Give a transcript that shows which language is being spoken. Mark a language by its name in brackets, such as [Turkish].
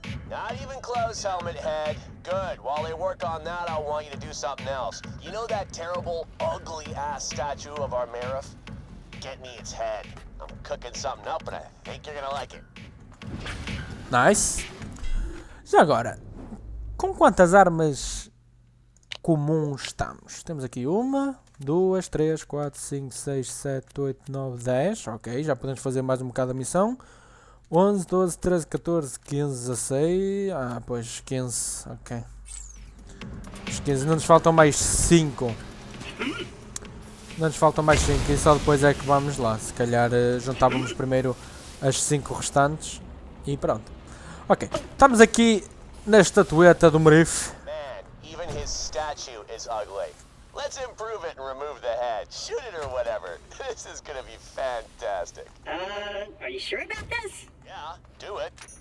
[English] Not even close, helmet head. Good. While they work on that, I want you to do something else. You know that terrible, ugly-ass statue of our Marif? Get me its head. I'm cooking something up, and I think you're gonna like it. Nice. [Portuguese] Já agora, com quantas armas comuns estamos? Temos aqui uma, duas, três, quatro, cinco, seis, sete, oito, nove, dez. Ok, já podemos fazer mais um bocado a missão. 11, 12, 13, 14, 15, 16. Ah, pois, 15. Ok. Os 15. Não nos faltam mais 5. Não nos faltam mais 5. E só depois é que vamos lá. Se calhar juntávamos primeiro as 5 restantes. E pronto. Ok. Estamos aqui na estatueta do Merif. [English] Man, even his statue is ugly. Let's improve it and remove the head. Shoot it or whatever. This is gonna be fantastic. Are you sure about this? Yeah, do it.